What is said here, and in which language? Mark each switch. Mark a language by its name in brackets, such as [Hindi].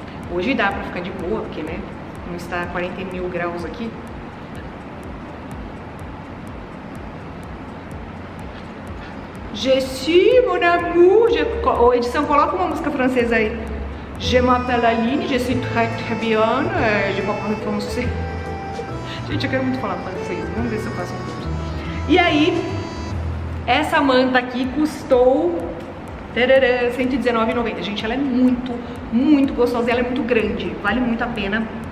[Portuguese] Hoje dá pra ficar de boa, porque, né? Não está a 40 mil graus aqui. [French] Je suis mon amour. [Portuguese] Edição, coloca uma música francesa aí. [French] Je m'appelle Aline, je suis très très bien. Je m'appelle français. [Portuguese] Gente, eu quero muito falar francês. Vamos ver se eu faço um curso. E aí, essa manta aqui custou R$119,90. Gente, ela é muito, muito gostosa. Ela é muito grande. Vale muito a pena.